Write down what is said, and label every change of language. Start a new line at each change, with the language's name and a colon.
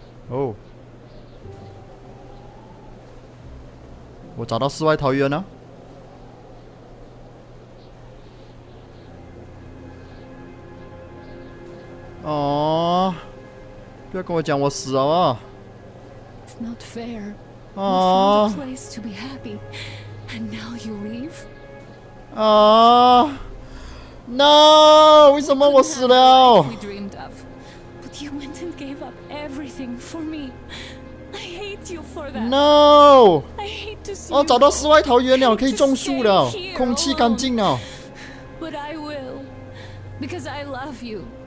Chinese: 哦、oh ，我找到世外桃源了。哦，不要跟我讲我死了啊。
English: It's not fair. We found a place to be happy, and now you leave.
Chinese: 啊 ，
English: No！
Chinese: 为什么我死了
English: ？We dreamed of, but you went and gave up everything for me. I hate you for that. No！ I hate to see you.
Chinese: 哦，找到世外桃源了，可以种树了，空气干净了。
English: But I will, because I love you.